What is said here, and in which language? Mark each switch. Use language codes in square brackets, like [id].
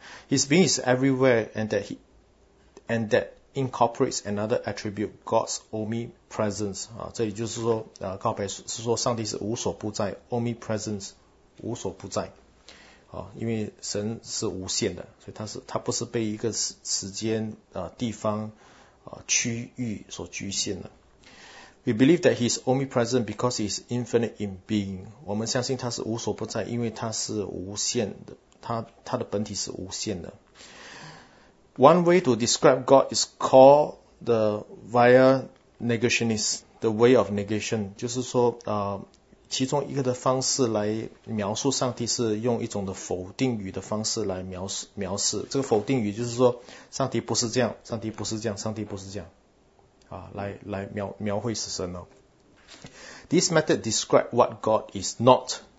[en] His being is everywhere and that incorporates another attribute, God's omnipresence. [zh] 这里就是说告白是说上帝是无所不在， omnipresence, 无所不在。因为神是无限的，所以他不是被一个时间地方区域所局限的。 [en] We believe that he is omnipresent because he is infinite in being. [zh] 我们相信他是无所不在，因为他是无限的，他的本体是无限的。 [en] One way to describe God is called the via negationist, the way of negation. [zh] 就是说其中一个的方式来描述上帝是用一种的否定语的方式来描述。这个否定语就是说上帝不是这样，上帝不是这样，上帝不是这样。来描绘神哦。 [en] This method describes what God is not.